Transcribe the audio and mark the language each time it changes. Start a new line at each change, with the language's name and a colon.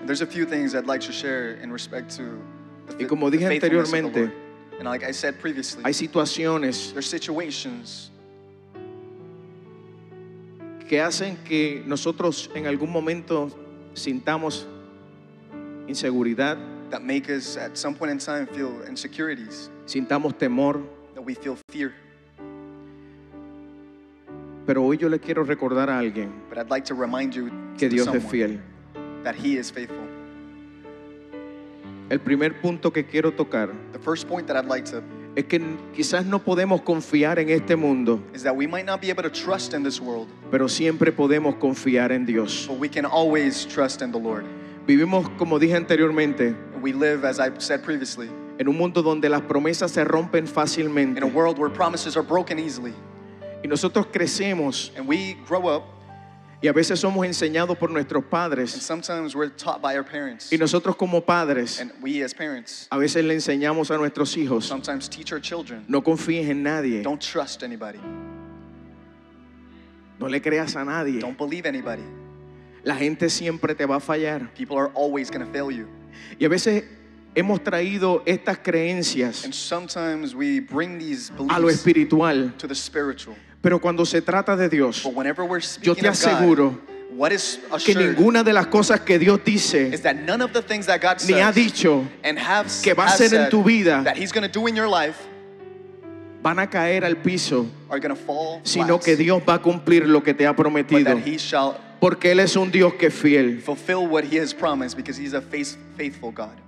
English: There's a few things I'd like to share in respect to the,
Spanish: y como dije
English: the
Spanish: anteriormente,
English: and like I said previously,
Spanish: hay situaciones,
English: there's situations
Spanish: que hacen que nosotros en algún momento sintamos inseguridad,
English: that make us at some point in time feel insecurities,
Spanish: sintamos temor,
English: that we feel fear.
Spanish: Pero hoy yo le quiero recordar a alguien,
English: but I'd like to remind you,
Spanish: que Dios es fiel,
English: that he is faithful.
Spanish: El primer punto que quiero tocar,
English: the first point that I'd like to
Spanish: es que quizás no podemos confiar en este mundo,
English: is that we might not be able to trust in this world,
Spanish: pero siempre podemos confiar en Dios.
English: But we can always trust in the Lord.
Spanish: Vivimos, como dije anteriormente,
English: we live, as I said previously,
Spanish: en un mundo donde las promesas se rompen fácilmente,
English: in a world where promises are broken easily,
Spanish: y nosotros crecemos,
English: and we grow up,
Spanish: y a veces somos enseñados por nuestros padres,
English: and sometimes we're taught by our parents,
Spanish: y nosotros como padres,
English: and we as parents,
Spanish: a veces le enseñamos a nuestros hijos,
English: sometimes teach our children,
Spanish: no confíes en nadie,
English: don't trust anybody,
Spanish: no le creas a nadie,
English: don't believe anybody,
Spanish: la gente siempre te va a fallar,
English: people are always going to fail you,
Spanish: y a veces hemos traído estas creencias,
English: and sometimes we bring these beliefs,
Spanish: a lo espiritual,
English: to the spiritual.
Spanish: Pero cuando se trata de Dios,
English: but whenever we're speaking,
Spanish: yo te aseguro,
English: God, what is assured,
Spanish: que ninguna de las cosas que Dios dice,
English: is that none of the things that God says,
Spanish: ni ha dicho,
English: and have,
Spanish: que va a ser en tu vida,
English: that he's going to do in your life,
Spanish: van a caer al piso,
English: are going to fall,
Spanish: sino
English: flat,
Spanish: que Dios va a cumplir lo que te ha prometido,
English: but that he shall,
Spanish: porque él es un Dios que es fiel,
English: fulfill what he has promised, because he's a faithful God.